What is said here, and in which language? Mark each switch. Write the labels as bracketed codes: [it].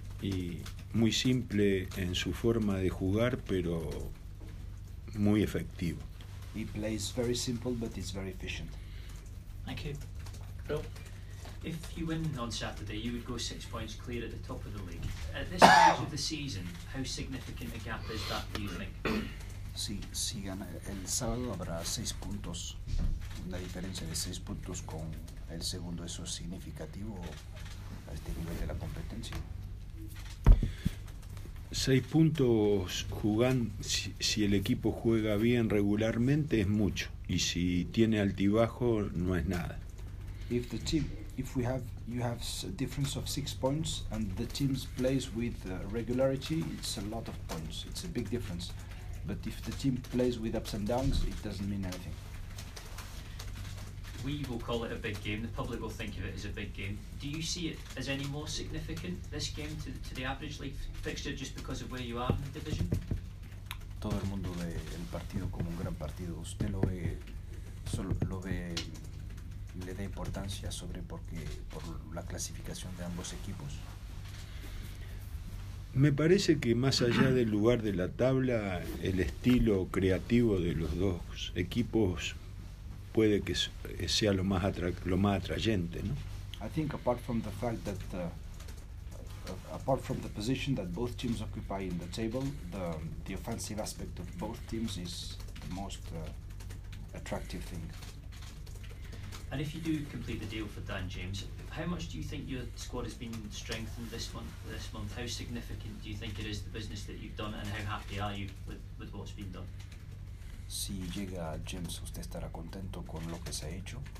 [es] Y muy simple en su forma de jugar, pero muy efectivo. [en] He plays very simple, but he's very efficient. Thank you. Bill, if you win on Saturday, you would go 6 points clear at the top of the league. At this stage of the season, how significant a gap is that, do you think? [es] Si gana el sábado, habrá 6 puntos, una diferencia de 6 puntos con el segundo. ¿Eso es significativo a este nivel de la competencia? 6 puntos si el equipo juega bien regularmente es mucho, y si tiene altibajo no es nada. [en] If you have a difference of 6 points and the team plays with regularity, it's a lot of points. It's a big difference. But if the team plays with ups and downs, it doesn't mean anything. We will call it a big game. The public will think of it as a big game. Do you see it as any more significant, this game, to the average league fixture, just because of where you are in the division? [es] Todo el mundo ve el partido como un gran partido. Usted lo ve le da importancia sobre por la clasificación de ambos equipos? Me parece que más allá del lugar de la tabla, el estilo creativo de los dos equipos puede que sea lo más atrayente, ¿no? [en] I think apart from the fact that apart from the position that both teams occupy in the table, the offensive aspect of both teams is the most attractive thing. And if you do complete the deal for Dan James, how much do you think your squad has been strengthened this month? How significant do you think it is, the business that you've done, and how happy are you with what's been done? [es] Si llega James, usted estará contento con lo que se ha hecho.